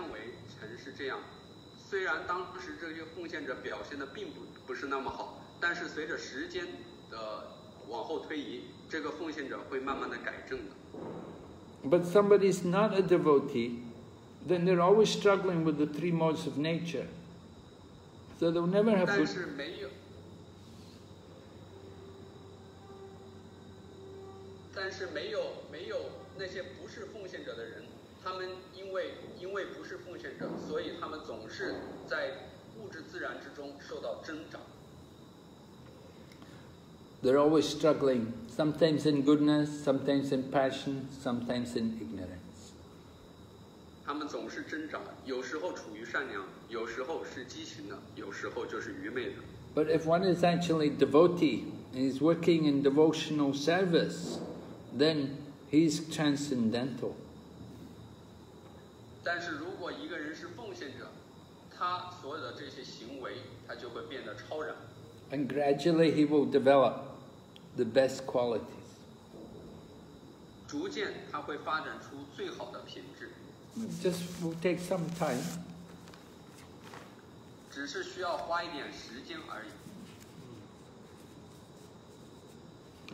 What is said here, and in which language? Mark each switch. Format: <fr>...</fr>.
<en>Although at the time the contributor performed not so well, but as time goes on, the contributor will gradually rectify. But somebody is not a devotee, then they're always struggling with the three modes of nature. So they'll never have</en> <zh>good... 但是没有，但是没有，没有那些不是奉献者的人，他们因为不是奉献者，所以他们总是在物质自然之中受到挣扎。</zh> <en>They're always struggling, sometimes in goodness, sometimes in passion, sometimes in ignorance.</en> <zh>他们总是挣扎，有时候处于善良，有时候是激情的，有时候就是愚昧的。</zh> <en>But if one is actually devotee, and he's working in devotional service, then he's transcendental.</en> <zh>但是如果一个人是奉献者，他所有的这些行为，他就会变得超然。</zh> <en>And gradually he will develop the best qualities.</en> <zh>逐渐他会发展出最好的品质。</zh> <en>Just will take some time.</en> <zh>只是需要花一点时间而已。</zh>